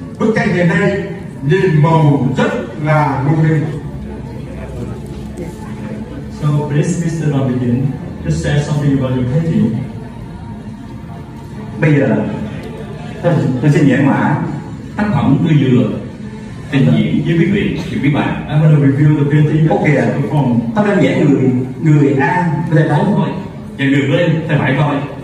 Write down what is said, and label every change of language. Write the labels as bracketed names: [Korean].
[Vietnamese] Bức tranh hiện nay nhìn màu rất là lung linh. [English] So please, Mr. Đoàn Việt Tiến, just say something about your painting. [Vietnamese] Bây giờ tôi xin giải mã tác phẩm Tư Dừa trình diễn với quý vị và quý bạn. [English] I'm going to review the painting. Okay, from [Vietnamese] tôi đang vẽ người A lên đấy thôi. Và người B thì phải coi.